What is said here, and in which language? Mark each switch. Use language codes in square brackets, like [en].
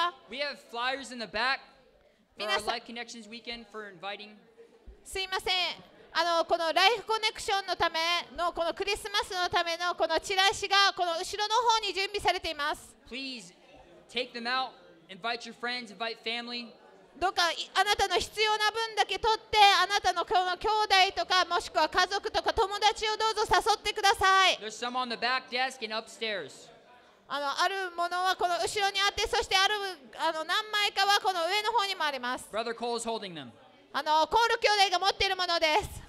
[en] We have flyers in the back for our Life Connections weekend for inviting. [ja] すみません。あのこのライフコネクションのためのこのクリスマスのためのこのチラシがこの後ろの方に準備されています。 [en] Please take them out. Invite your friends. Invite family. [ja] どうかあなたの必要な分だけ取ってあなたの兄弟とかもしくは家族とか友達をどうぞ誘ってください。 [en] There's some on the back desk and upstairs. [ja] あの、あるものはこの後ろにあってそしてあるあの何枚かはこの上の方にもあります。 [en] Brother Cole is holding them. [ja] あの、コール兄弟が持っているものです。